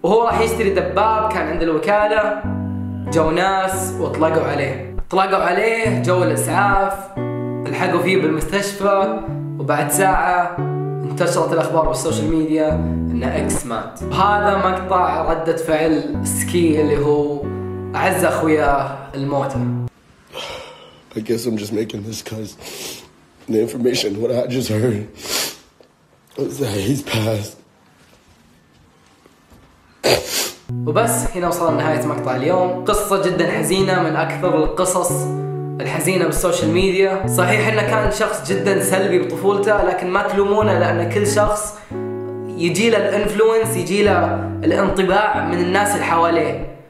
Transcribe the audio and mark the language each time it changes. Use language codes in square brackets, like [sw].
[ar] وهو راح يشتري دباب كان عند الوكالة، جو ناس واطلقوا عليه، اطلقوا عليه، جو الاسعاف، الحقوا فيه بالمستشفى، وبعد ساعة انتشرت الاخبار بالسوشيال ميديا ان اكس مات. هذا مقطع ردة فعل سكي اللي هو اعز اخويا الموتى. [en] I guess I'm just making this because the information, what I just heard, is that he's passed. [ar] وبس هنا وصلنا لنهاية مقطع اليوم، قصة جدا حزينة من أكثر القصص الحزينة بالسوشيال ميديا. صحيح إنه كان شخص جدا سلبي بطفولته، لكن ما تلومونه لأن كل شخص يجي له الإنفلونس، يجي له الانطباع من الناس اللي حواليه.